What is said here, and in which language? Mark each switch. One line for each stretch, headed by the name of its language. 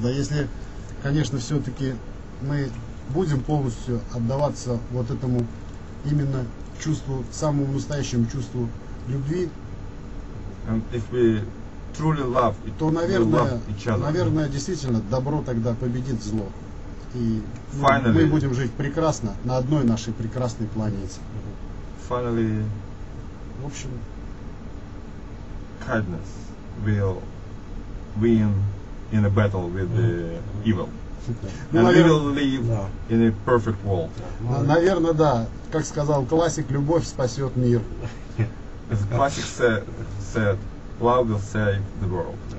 Russian: Да, если, конечно, все-таки мы будем полностью отдаваться вот этому именно чувству, самому настоящему чувству любви, то, наверное, действительно, добро тогда победит зло. И мы будем жить прекрасно на одной нашей прекрасной планете.
English: Finally,
Russian: в общем,
English: kindness will win in a battle with the evil, and we will live in a perfect world.
Russian: Наверное, да. Как сказал классик, любовь спасет мир.
English: As the classic said, love will save the world.